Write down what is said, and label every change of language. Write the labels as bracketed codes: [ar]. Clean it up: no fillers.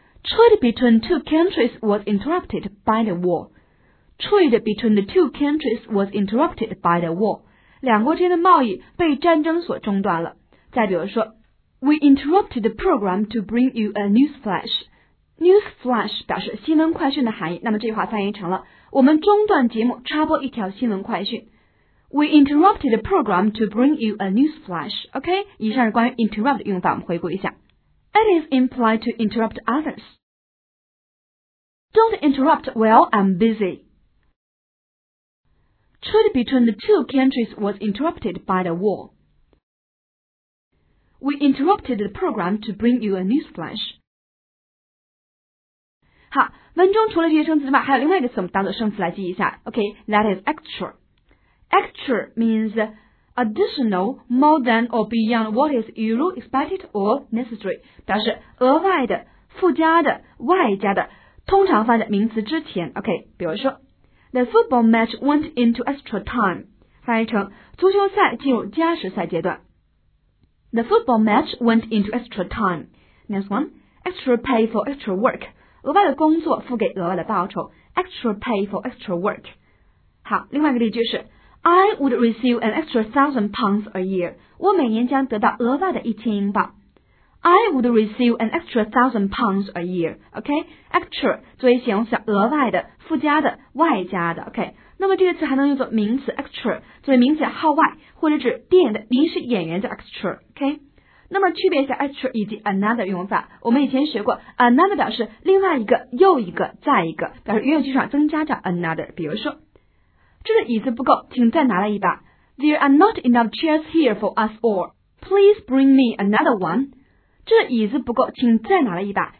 [en] Trade between two countries was interrupted by the war. Trade between the two countries was interrupted by the war. [zh] 两国之间的贸易被战争所中断了。再比如说 [en] ，We interrupted the program to bring you a news flash. [zh] News flash 表示新闻快讯的含义，那么这句话翻译成了我们中断节目插播一条新闻快讯。 [en] We interrupted the program to bring you a news flash. [zh] OK， 以上是关于 interrupt 的用法，我们回顾一下。 [en] It is implied to interrupt others. Don't interrupt while I'm busy. Trade between the two countries was interrupted by the war. We interrupted the program to bring you a news flash. [zh] 好，文中除了这些生词之外，还有另外一个词，我们当作生词来记一下。 [en] OK，that is extra. Extra means additional, more than or beyond what is usual, expected or necessary. [zh] 表示额外的、附加的、外加的，通常放在名词之前。 [en] OK， 比如说 ， the football match went into extra time. [zh] 翻译成足球赛进入加时赛阶段。 [en] The football match went into extra time. Next one, extra pay for extra work. [zh] 额外的工作付给额外的报酬 ， [en] extra pay for extra work。 [zh] 好，另外一个例句是 [en] ，I would receive an extra £1,000 a year。 [zh] 我每年将得到额外的1000英镑。 [en] I would receive an extra £1,000 a year。 [zh] OK，extra 作为形容词，额外的、附加的、外加的。 OK， 那么这个词还能用作名词 extra， 作为名词号外或者指电影的临时演员叫 extra。OK。那么区别一下 extra 以及 another 用法，我们以前学过 another 表示另外一个、又一个、再一个，表示用语基础上增加着 another。比如说，这个椅子不够，请再拿来一把。 [en] There are not enough chairs here for us all. Please bring me another one. [zh] 这个椅子不够，请再拿来一把。